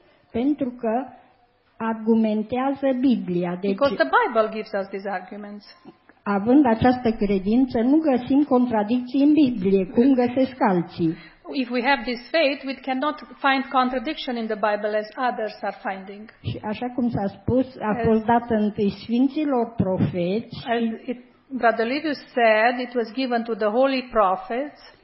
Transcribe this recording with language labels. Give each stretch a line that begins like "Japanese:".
Romanian: Pentru că argumentează Biblia. Deci,
English: because the Bible gives us these arguments.
Romanian: Având această credință, nu găsim contradicții în Biblie, cum găsesc alții.
English: If we have this faith, we cannot find contradiction in the Bible as others are finding.
Romanian: Și așa cum s-a spus, a fost dată întâi sfinților profeți.
English: Brother Livius said it was given to the holy prophets.